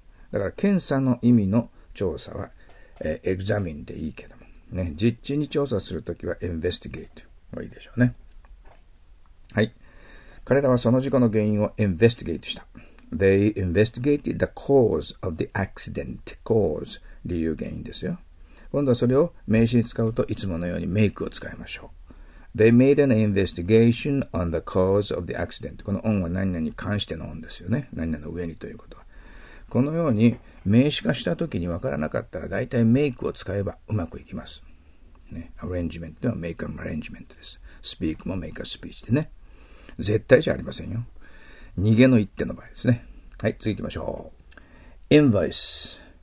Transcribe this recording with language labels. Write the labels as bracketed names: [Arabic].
[Japanese] だから、検査の意味の調査は、examine でいいけども、ね、実地に調査するときは investigate。いいでしょうね。はい。彼らはその事故の原因をインベスティゲートした。 [English] They investigated the cause of the accident. [Japanese] Cause 理由原因ですよ。今度はそれを名詞に使うといつものようにメイクを使いましょう。 [English] They made an investigation on the cause of the accident. [Japanese] この on は何々に関してのオンですよね。何々の上にということは。このように名詞化したときにわからなかったら大体メイクを使えばうまくいきます。ね、アレンジメントでは [English] make an arrangement [Japanese] です。speak も [English] make a speech [Japanese] でね。絶対じゃありませんよ。逃げの一手の場合ですね。はい、次行きましょう。invoice。